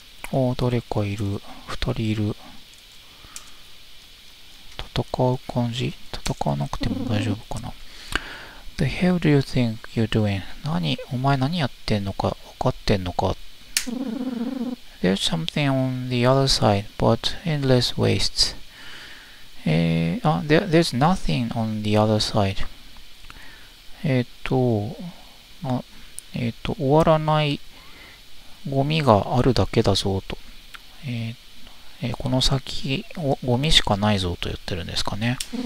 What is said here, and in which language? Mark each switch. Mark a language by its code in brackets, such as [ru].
[ja] ああ、誰かいる。二人いる。戦う感じ？戦わなくても大丈夫かな。 [en] The hell do you think you're doing? [ja] 何、お前何やってんのか、分かってんのか。 [en] There's something on the other side, but endless wastes. There's nothing on the other side. [ja] 終わらないゴミがあるだけだぞと。この先、ゴミしかないぞと言ってるんですかね。